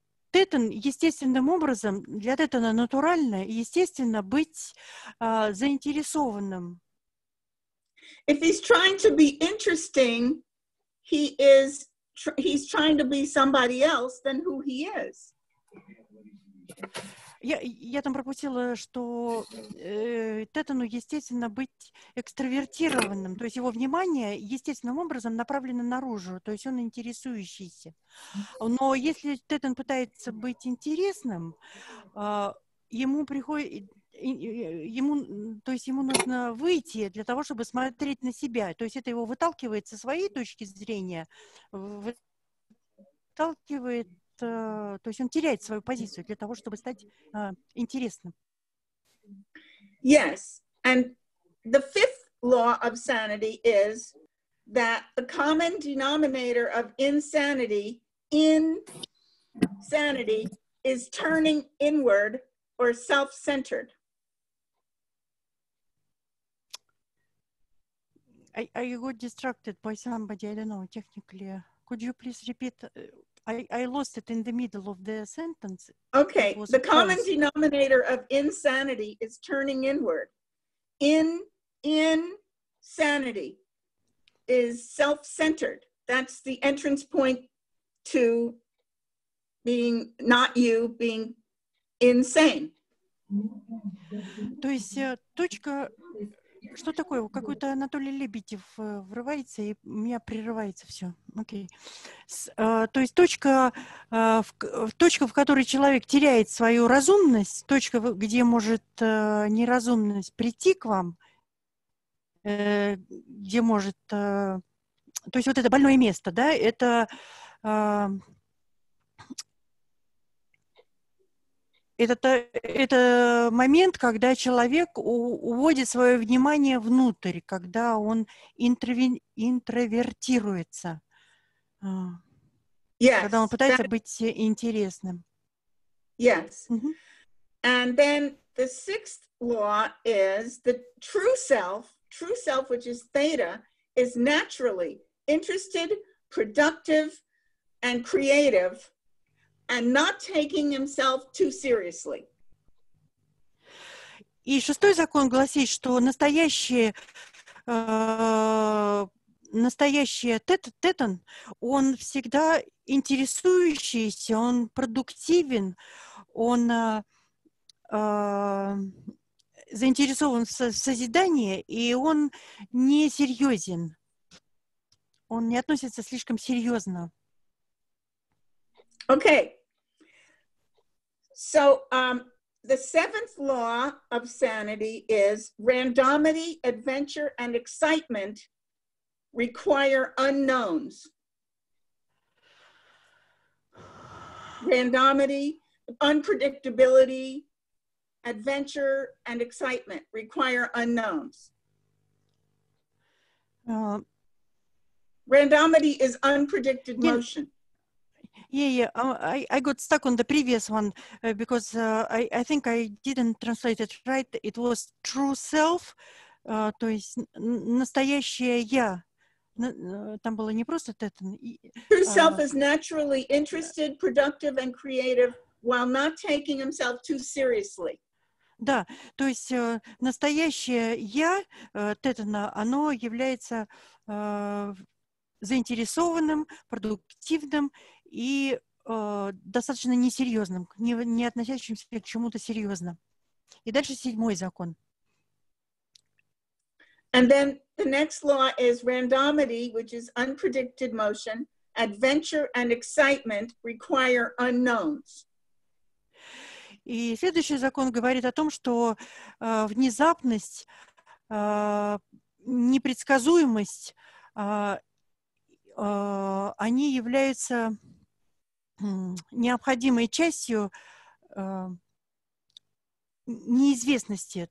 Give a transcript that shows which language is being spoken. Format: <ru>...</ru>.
<ru>Тетан естественным образом, для Тетана натурально и естественно быть заинтересованным.</ru> <en>If he's trying to be interesting, he's trying to be somebody else than who he is.</en> <ru>Я там пропустила, что Тетану естественно быть экстравертированным, то есть его внимание естественным образом направлено наружу, то есть он интересующийся. Но если Тетан пытается быть интересным, ему нужно выйти для того, чтобы смотреть на себя. То есть это его выталкивает со своей точки зрения, выталкивает. То есть он теряет свою позицию для того, чтобы стать интересным.</ru> <en>Yes, and the fifth law of sanity is that the common denominator of insanity is turning inward or self-centered. Are you got distracted by somebody? I don't know, technically. Could you please repeat? I lost it in the middle of the sentence. Okay, the common denominator of insanity is turning inward. Insanity is self-centered. That's the entrance point to being not you, being insane.</en> <ru>То есть точка, что такое? Какой-то Анатолий Лебедев врывается, и у меня прерывается все. Окей. То есть точка, в которой человек теряет свою разумность, точка, где может неразумность прийти к вам, где может... То есть вот это больное место, да, это... Это момент, когда человек уводит свое внимание внутрь, когда он интровертируется.</ru> <en>Yes,</en> <ru>когда он пытается быть интересным.</ru> <en>Yes. Mm-hmm. And then the sixth law is the true self, which is theta, is naturally interested, productive, and creative. And not taking himself too seriously.</en> <ru>И шестой закон гласит, что настоящий Тетан, он всегда интересующийся, он продуктивен, он заинтересован в созидании, и он не серьезен. Он не относится слишком серьезно.</ru> <en>Okay. So the seventh law of sanity is randomity, adventure, and excitement require unknowns. Randomity, unpredictability, adventure, and excitement require unknowns. Randomity is unpredicted motion. Yeah, I got stuck on the previous one because I think I didn't translate it right. It was true self,</en> <ru>то есть настоящее я. Там было не просто это.</ru> <en>True self is naturally interested, productive, and creative while not taking himself too seriously.</en> <ru>Да, то есть настоящее «я» Теттона, оно является заинтересованным, продуктивным и достаточно несерьезным, не относящимся к чему-то серьезному. И дальше седьмой закон.</ru> <en>And then the next law is randomity, which is unpredicted motion. Adventure and excitement require unknowns.</en> <ru>И следующий закон говорит о том, что внезапность, непредсказуемость, они являются необходимой частью неизвестности.</ru>